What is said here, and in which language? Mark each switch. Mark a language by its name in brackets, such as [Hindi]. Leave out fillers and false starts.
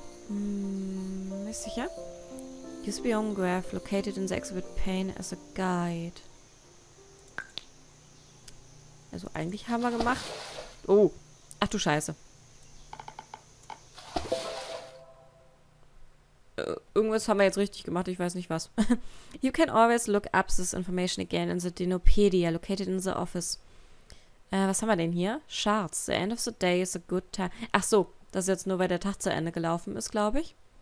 [German] Nicht sicher. [English] Use Beyond Graph located in the Exhibit Pane as a guide. [German] Also eigentlich haben wir gemacht. Oh. Ach du Scheiße. Irgendwas haben wir jetzt richtig gemacht, ich weiß nicht was. [English] You can always look up this information again in the Dinopedia, located in the office. [German] Was haben wir denn hier? [English] Charts. The end of the day is a good time. [German] Ach so, das ist jetzt nur, weil der Tag zu Ende gelaufen ist, glaube ich.